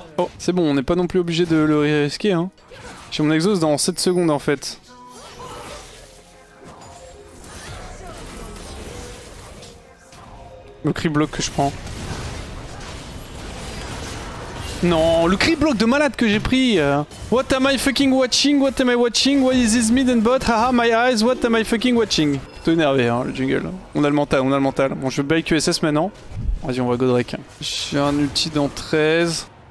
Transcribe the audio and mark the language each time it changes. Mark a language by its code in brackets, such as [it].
[fr] Oh, c'est bon, on n'est pas non plus obligé de le risquer, hein. J'ai mon exhaust dans 7 secondes, en fait. Le cri bloc que je prends. Non, le cri bloc de malade que j'ai pris. [en] What am I fucking watching? What am I watching? What is this mid and bot? Haha, my eyes. What am I fucking watching? [fr] Plutôt énervé, hein, le jungle. On a le mental, on a le mental. Bon, je vais bail QSS maintenant. Vas-y, on va Godrek. J'ai un ulti dans 13.